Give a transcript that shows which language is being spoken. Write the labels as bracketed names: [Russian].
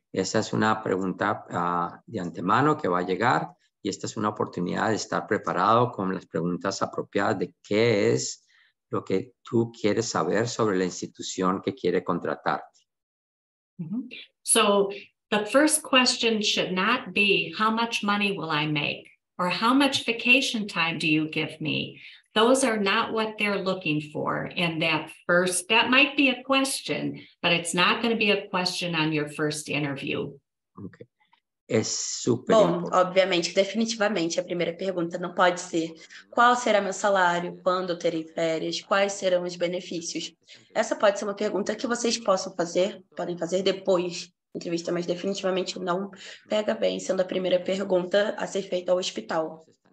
[Spanish] Esa es una pregunta de antemano que va a llegar y esta es una oportunidad de estar preparado con las preguntas apropiadas de qué es lo que tú quieres saber sobre la institución que quiere contratarte. Mm-hmm. [English] So the first question should not be how much money will I make or how much vacation time do you give me? Those are not what they're looking for. And that first, that might be a question, but it's not going to be a question on your first interview. [Portuguese] Okay. É super bom, importante. Obviamente, definitivamente, a primeira pergunta não pode ser qual será meu salário, quando eu terei férias, quais serão os benefícios. Essa pode ser uma pergunta que vocês possam fazer, podem fazer depois da entrevista, mas definitivamente não pega bem sendo a primeira pergunta a ser feita ao hospital.